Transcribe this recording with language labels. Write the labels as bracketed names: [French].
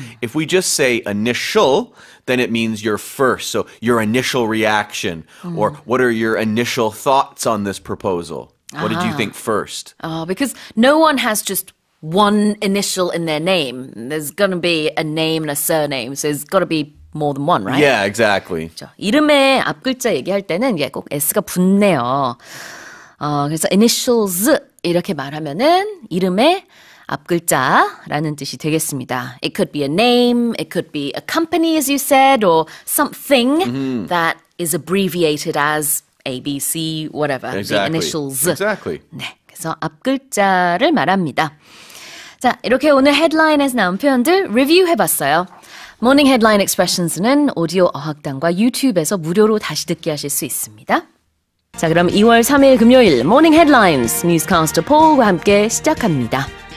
[English] If we just say initial, then it means your first, so your initial reaction, or what are your initial thoughts on this proposal? What did you think first? Because no one has just one initial in their name. There's going to be a name and a surname, so it's got to be more than one, right? Yeah, exactly. [Korean] 이름의 앞글자 얘기할 때는 예, 꼭 S가 붙네요. 그래서 initials 이렇게 말하면은 이름의 앞글자라는 뜻이 되겠습니다. [English] It could be a name, it could be a company, as you said, or something that is abbreviated as ABC, whatever, exactly. The initials. Exactly. [Korean] 네, 그래서 앞글자를 말합니다. 자, 이렇게 오늘 헤드라인에서 나온 표현들 리뷰해봤어요. Morning Headline Expressions는 오디오 어학당과 유튜브에서 무료로 다시 듣기 하실 수 있습니다. 자, 그럼 2월 3일 금요일 Morning Headlines, 뉴스카운스터 폴과 함께 시작합니다.